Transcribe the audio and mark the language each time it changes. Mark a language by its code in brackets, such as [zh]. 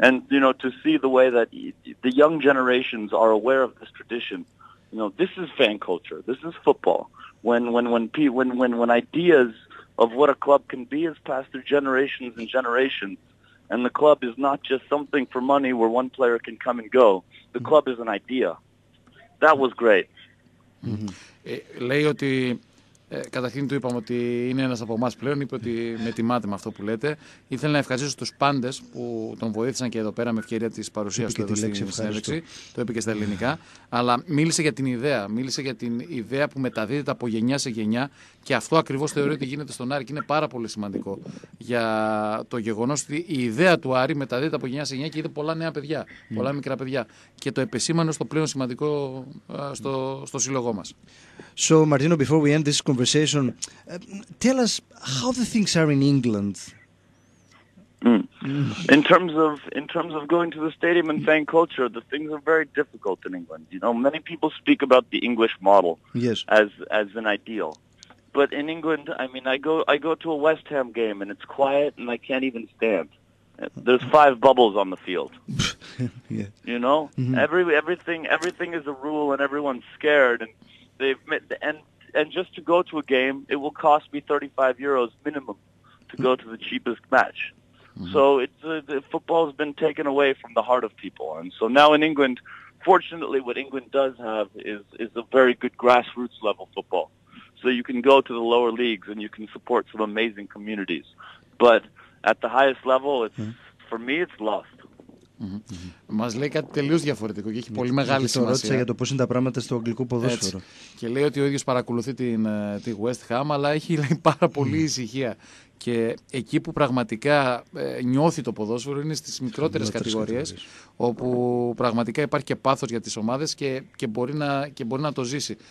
[en] And, you know, to see the way that the young generations are aware of this tradition, you know, this is fan culture. This is football. When ideas of what a club can be has passed through generations and generations. And the club is not just something for money where one player can come and go. The club is an idea. That was great. [el] Λέει ότι, καταρχήν του είπαμε ότι είναι ένας από εμάς πλέον, είπε ότι με τιμάτε με αυτό που λέτε. Ήθελα να ευχαριστήσω τους πάντες που τον βοήθησαν και εδώ πέρα με ευκαιρία της παρουσίας του εδώ στην συνέντευξη. Το είπε και στα ελληνικά. Αλλά μίλησε για την ιδέα. Μίλησε για την ιδέα που μεταδίδεται από γενιά σε γενιά. Και αυτό ακριβώς θεωρεί ότι γίνεται στον Άρη και είναι πάρα πολύ σημαντικό. Για το γεγονός ότι η ιδέα του Άρη μεταδίδεται από γενιά σε γενιά και είδε πολλά νέα παιδιά, πολλά μικρά παιδιά. Και το επεσήμανε στο πλέον σημαντικό στο σύλλογό μας. [en] So, Martino, before we end this conversation, tell us how the things are in England. In terms of going to the stadium and fan culture, the things are very difficult in England. You know, many people speak about the English model as an ideal. But in England, I mean, I go to a West Ham game and it's quiet and I can't even stand. There's five bubbles on the field. Yeah. You know, everything is a rule and everyone's scared and they've met, and just to go to a game, it will cost me 35 euros minimum to go to the cheapest match. Mm-hmm. So it's the football has been taken away from the heart of people, and so now in England, fortunately, what England does have is a very good grassroots level football. So you can go to the lower leagues and you can support some amazing communities, but at the highest level, it's for me, it's lost. [el] Μας λέει κάτι τελείως διαφορετικό και έχει πολύ μεγάλη σημασία. Το ρώτησα για το πώς είναι τα πράγματα στο αγγλικό ποδόσφαιρο. Έτσι. Και λέει ότι ο ίδιος παρακολουθεί τη West Ham, αλλά έχει λέει, πάρα πολύ ησυχία. Και εκεί που πραγματικά νιώθει το ποδόσφαιρο είναι στις μικρότερες κατηγορίες, όπου πραγματικά υπάρχει και πάθος για τις ομάδες και μπορεί να το ζήσει.